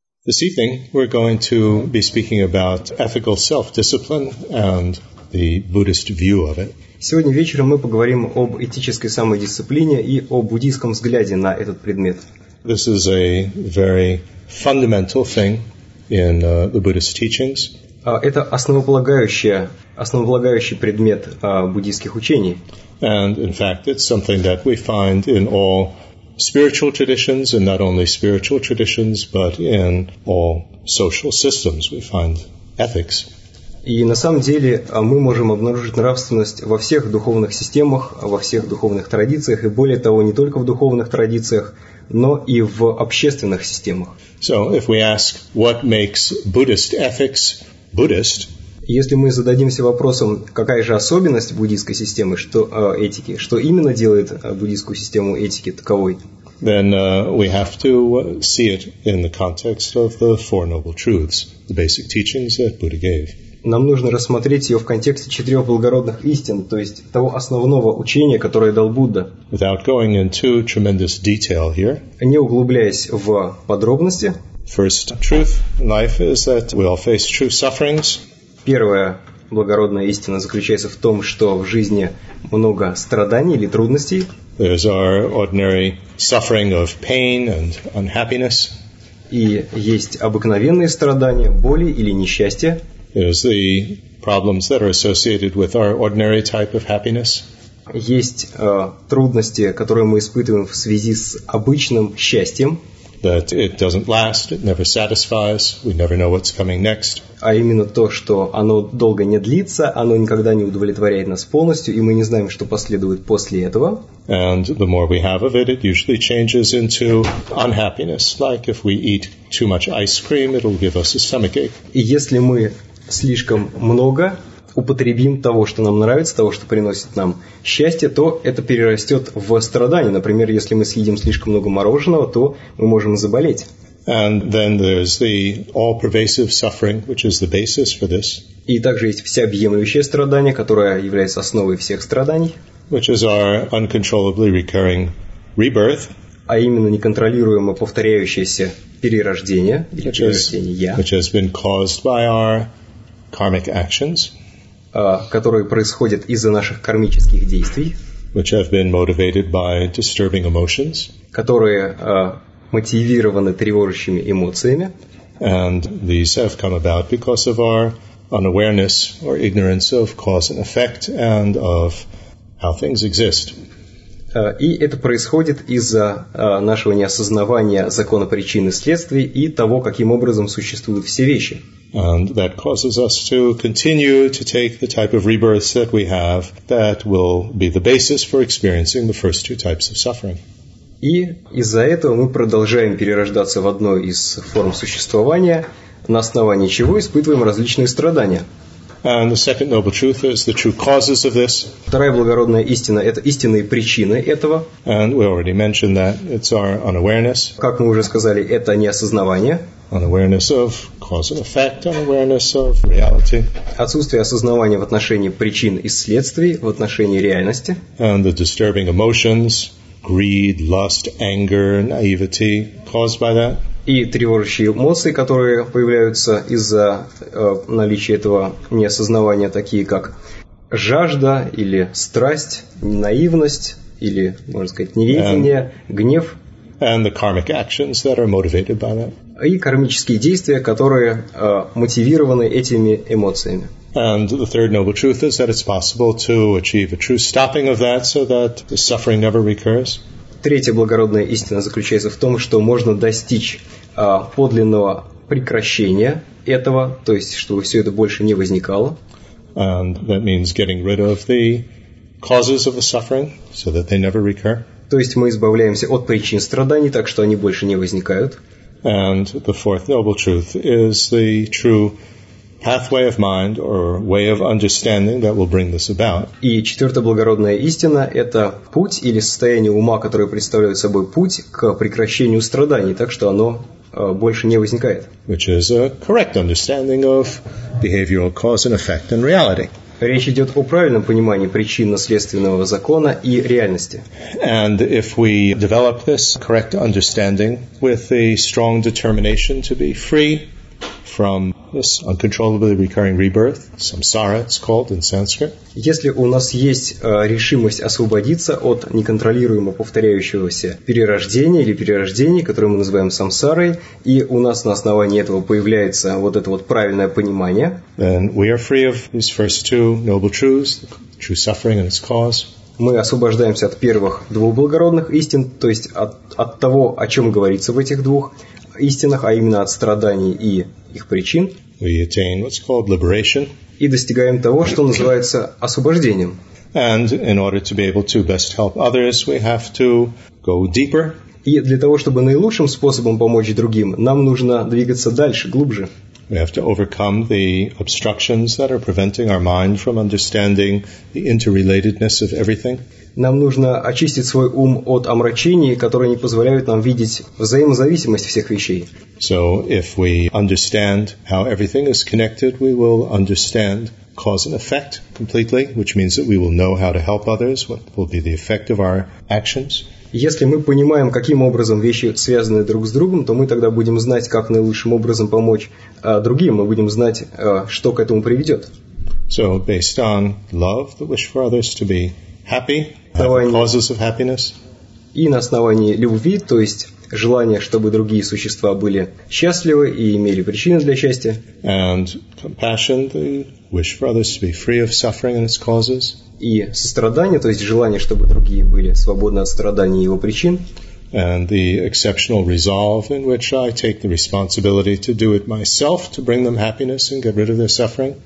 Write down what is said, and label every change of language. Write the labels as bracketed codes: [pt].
[en] This evening, we're going to be speaking about ethical self-discipline and the Buddhist view of it. [ru] Сегодня вечером мы поговорим об этической самодисциплине и о буддийском взгляде на этот предмет. [en] This is a very fundamental thing in the Buddhist teachings. [ru] Это основополагающий предмет буддийских учений. [en] And in fact, it's something that we find in all spiritual traditions, and not only spiritual traditions, but in all social systems, we find ethics. [ru] И на самом деле мы можем обнаружить нравственность во всех духовных системах, во всех духовных традициях, и более того, не только в духовных традициях, но и в общественных системах. [en] So, if we ask what makes Buddhist ethics Buddhist, [ru] если мы зададимся вопросом, какая же особенность буддийской системы, что этики, что именно делает буддийскую систему этики таковой? [en] Then we have to see it in the context of the Four Noble Truths, the basic teachings that Buddha gave. [ru] Нам нужно рассмотреть ее в контексте четырех благородных истин, то есть того основного учения, которое дал Будда. [en] Without going into tremendous detail here. [ru] Не углубляясь в подробности. [en] First truth in life is that we all face true sufferings. [ru] Первая благородная истина заключается в том, что в жизни много страданий или трудностей. [en] There's our ordinary suffering of pain and unhappiness. [ru] И есть обыкновенные страдания, боли или несчастья. [en] There's the problems that are associated with our ordinary type of happiness. [ru] Есть трудности, которые мы испытываем в связи с обычным счастьем. [en] That it doesn't last, it never satisfies, we never know what's coming next. [ru] А именно то, что оно долго не длится, оно никогда не удовлетворяет нас полностью, и мы не знаем, что последует после этого. [en] And the more we have of it, it usually changes into unhappiness. Like if we eat too much ice cream, it'll give us a stomachache. [ru] И если мы слишком много употребим того, что нам нравится, того, что приносит нам счастье, то это перерастет в страдание. Например, если мы съедим слишком много мороженого, то мы можем заболеть. И также есть всеобъемлющее страдание, которое является основой всех страданий, [en] which is our uncontrollably recurring rebirth, [ru] а именно неконтролируемо повторяющееся перерождение, [en] which has been caused by our karmic actions, [ru] которые происходят из-за наших кармических действий, [en] which have been motivated by disturbing emotions, [ru] которые мотивированы тревожащими эмоциями, [en] and these have come about because of our unawareness or ignorance of cause and effect and of how things exist. [ru] И это происходит из-за нашего неосознавания закона причины и следствий и того, каким образом существуют все вещи. [en] And that causes us to continue to take the type of rebirths that we have that will be the basis for experiencing the first two types of suffering. [ru] И из-за этого мы продолжаем перерождаться в одной из форм существования, на основании чего испытываем различные страдания. [en] And the second noble truth is the true causes of this. [ru] Вторая благородная истина – это истинные причины этого. [en] And we already mentioned that it's our unawareness. [ru] Как мы уже сказали, это неосознавание. [en] Unawareness of cause and effect, unawareness of reality. [ru] Отсутствие осознавания в отношении причин и следствий, в отношении реальности. [en] And the disturbing emotions, greed, lust, anger, naivety caused by that. [ru] И тревожащие эмоции, которые появляются из-за наличия этого неосознавания, такие как жажда или страсть, наивность или, можно сказать, неведение, гнев. [en] And the karmic actions that are motivated by that. [ru] И кармические действия, которые мотивированы этими эмоциями. [en] And the third noble truth is that it's possible to achieve a true stopping of that so that the suffering never recurs. [ru] Третья благородная истина заключается в том, что можно достичь подлинного прекращения этого, то есть, чтобы все это больше не возникало. [en] And that means getting rid of the causes of the suffering so that they never recur. [ru] То есть мы избавляемся от причин страданий, так что они больше не возникают. [en] And the fourth noble truth is the true pathway of mind or way of understanding that will bring this about. [ru] И четвертая благородная истина – это путь или состояние ума, которое представляет собой путь к прекращению страданий, так что оно больше не возникает. [en] Which is a correct understanding of behavioral cause and effect in reality. [ru] Речь идет о правильном понимании причинно-следственного закона и реальности. [en] And if we develop this correct understanding with a strong determination to be free from this uncontrollably recurring rebirth, samsara it's called in Sanskrit. [ru] Если у нас есть решимость освободиться от неконтролируемо повторяющегося перерождения или перерождений, которое мы называем самсарой, и у нас на основании этого появляется вот это вот правильное понимание, [en] then we are free of these first two noble truths, true suffering and its cause. [ru] Мы освобождаемся от первых двух благородных истин, то есть от того, о чем говорится в этих двух истинах, а именно от страданий и их причин. [en] We attain what's called liberation. [ru] И достигаем того, что называется освобождением. [en] And in order to be able to best help others, we have to go deeper. [ru] И для того, чтобы наилучшим способом помочь другим, нам нужно двигаться дальше, глубже. [en] We have to overcome the obstructions that are preventing our mind from understanding the interrelatedness of everything. [ru] Нам нужно очистить свой ум от омрачений, которые не позволяют нам видеть взаимозависимость всех вещей. [en] So if we understand how everything is connected, we will understand cause and effect completely, which means that we will know how to help others, what will be the effect of our actions. [ru] Если мы понимаем, каким образом вещи связаны друг с другом, то мы тогда будем знать, как наилучшим образом помочь другим, мы будем знать, что к этому приведет. [en] So based on love, the wish for others to be happy, the causes of happiness. [ru] И на основании любви, то есть желания, чтобы другие существа были счастливы и имели причины для счастья. [en] And compassion, the wish for others to be free of suffering and its causes. [ru] И сострадание, то есть желание, чтобы другие были свободны от страданий и его причин. [en] And the exceptional resolve in which I take the responsibility to do it myself, to bring them happiness and get rid of their suffering.